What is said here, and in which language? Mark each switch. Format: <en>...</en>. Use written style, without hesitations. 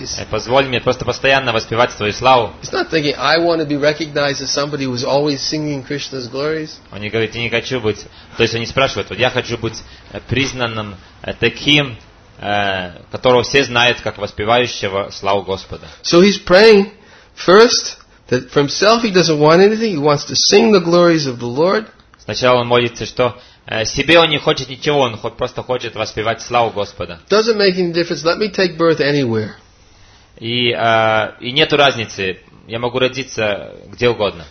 <ru>Позволь мне просто постоянно воспевать твою славу. Он не говорит, я не хочу быть... То есть он не спрашивает, вот я хочу быть признанным таким, которого все знают как воспевающего славу Господа.</ru> <en>So he's praying first that for himself he doesn't want anything. He wants to sing the glories of the Lord.</en> <ru>Сначала он молится, что себе он не хочет ничего, он просто хочет воспевать славу Господа.</ru> <en>Doesn't make any difference. Let me take birth anywhere.</en> <ru>И нету разницы. Я могу родиться где угодно.</ru>